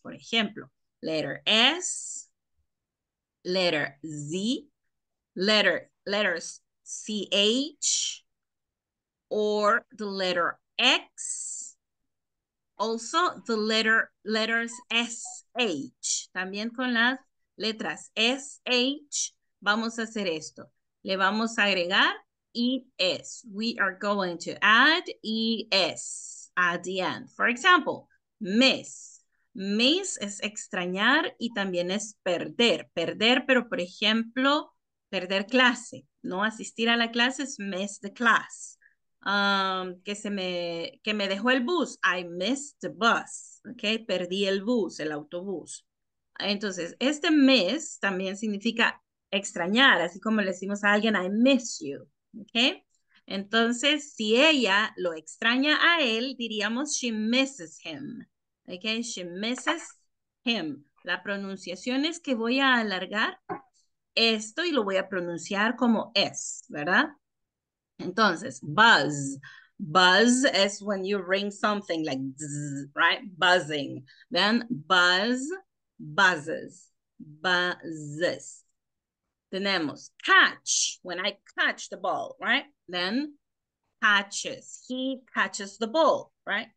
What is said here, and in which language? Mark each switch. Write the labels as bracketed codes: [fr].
[es] Por ejemplo, [en] letter S, letter Z, letters CH, or the letter X. Also, the letters SH. [es] También con las letras SH, vamos a hacer esto. Le vamos a agregar ES. [en] We are going to add ES at the end. For example, [es] miss. Miss es extrañar y también es perder. Perder, pero por ejemplo, perder clase. No asistir a la clase es [en] miss the class. [es] Que me dejó el bus. [en] I missed the bus. Okay, [es] perdí el bus, el autobús. Entonces, este miss también significa extrañar, así como le decimos a alguien, [en] I miss you, [es] okay? Entonces, si ella lo extraña a él, diríamos [en] she misses him, [es] okay? [en] She misses him. [es] La pronunciación es que voy a alargar esto y lo voy a pronunciar como S, ¿verdad? Entonces, buzz. [en] Buzz is when you ring something like zzz, right? Buzzing. Then, buzz, buzzes, buzzes. [es] Tenemos [en] catch, when I catch the ball, right? Then catches, he catches the ball, right?